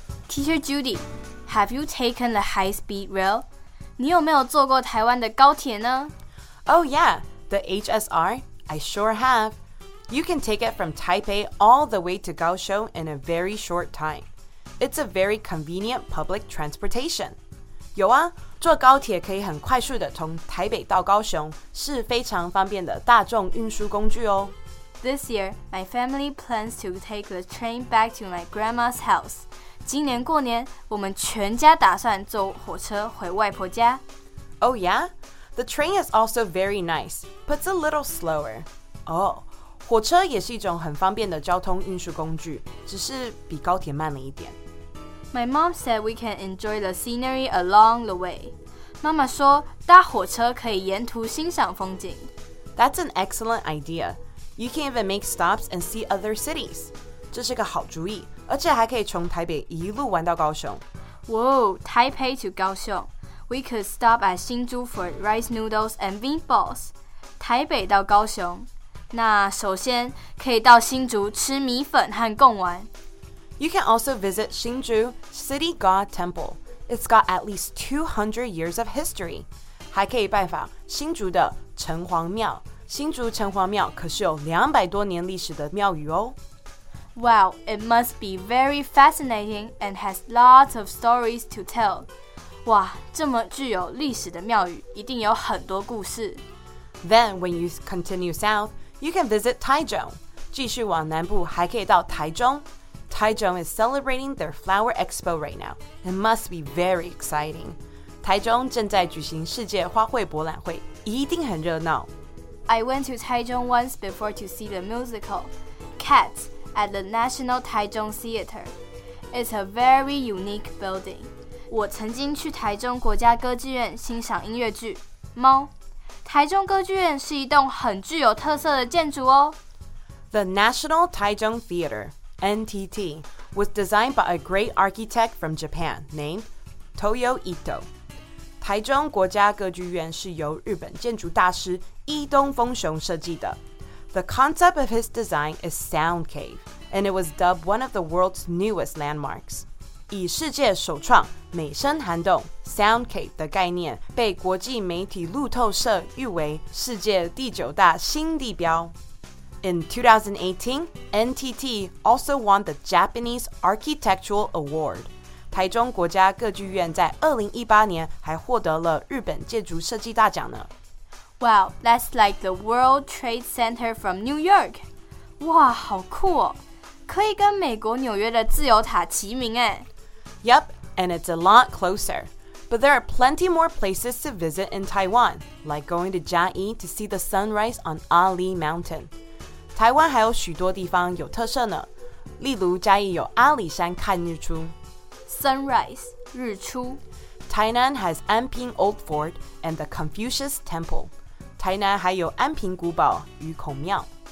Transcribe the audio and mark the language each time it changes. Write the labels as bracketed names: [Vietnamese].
[English] Teacher Judy, have you taken the high-speed rail? [Chinese] 你有没有坐过台湾的高铁呢 [English] Oh yeah, the HSR, I sure have. You can take it from Taipei all the way to Kaohsiung in a very short time. It's a very convenient public transportation. [Chinese] 有啊，坐高铁可以很快速的从台北到高雄，是非常方便的大众运输工具哦。 [English] This year, my family plans to take the train back to my grandma's house. [Chinese] 今年过年，我们全家打算坐火车回外婆家。 [English] Oh yeah? The train is also very nice, but it's a little slower. Oh. [Chinese] 火车也是一种很方便的交通运输工具，只是比高铁慢了一点。 [English] My mom said we can enjoy the scenery along the way. [Chinese] 妈妈说搭火车可以沿途欣赏风景。 [English] That's an excellent idea. You can even make stops and see other cities. [Chinese] 这是个好主意，而且还可以从台北一路玩到高雄。 [English] Whoa, Taipei to Kaohsiung. We could stop at 新竹 for rice noodles and bean balls. [Chinese] 台北到高雄。那首先可以到新竹吃米粉和贡丸。 [English] You can also visit 新竹 City God Temple. It's got at least 200 years of history. [Chinese] 还可以拜访新竹的城隍庙。新竹城隍庙可是有200多年历史的庙宇哦。 [English] Wow, it must be very fascinating and has lots of stories to tell. [Chinese] 哇，这么具有历史的庙宇一定有很多故事。 [English] Then when you continue south,You can visit Taichung. [Chinese] 继续往南部还可以到台中。 [English] Taichung is celebrating their flower expo right now. It must be very exciting. [Chinese] 台中正在举行世界花卉博览会，一定很热闹。 [English] I went to Taichung once before to see the musical Cats at the National Taichung Theater. It's a very unique building. [Chinese] 我曾经去台中国家歌剧院欣赏音乐剧《猫》。台中歌剧院是一栋很具有特色的建筑哦。 [English] The National Taichung Theater, NTT, was designed by a great architect from Japan named Toyo Ito. [Chinese] 台中国家歌剧院是由日本建筑大师伊东丰雄设计的。 [English] The concept of his design is Sound Cave, and it was dubbed one of the world's newest landmarks. [Chinese] 以世界首创美声涵洞 Sound Cave 的概念被国际媒体路透社誉为世界第九大新地标。 [English] In 2018, NTT also won the Japanese Architectural Award. [Chinese] 台中国家歌剧院在2018年还获得了日本建筑设计大奖呢。 [English] Wow, that's like the World Trade Center from New York. [Chinese] 哇，好酷哦！可以跟美国纽约的自由塔齐名耶。 [English] Yep, and it's a lot closer. But there are plenty more places to visit in Taiwan, like going to Jiayi to see the sunrise on Ali Mountain. [Chinese] 台湾还有许多地方有特色呢，例如嘉义有阿里山看日出。 [English] Sunrise, 日出。 Tainan has Anping Old Fort and the Confucius Temple. [Chinese] 台南还有安平古堡与孔庙。